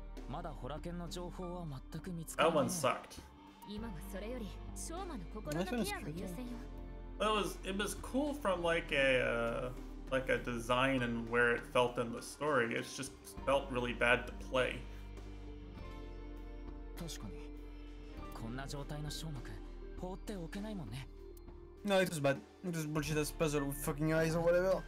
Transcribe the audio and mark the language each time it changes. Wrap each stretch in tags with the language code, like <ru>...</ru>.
<en>That one sucked. It was cool from like a design and where it felt in the story. It just felt really bad to play.</en> <ja>確かに。こんな状態の小幕、放っておけないもんね。</ja> <en>No, it was bad. It was bullshit as puzzle with fucking eyes or whatever.</en>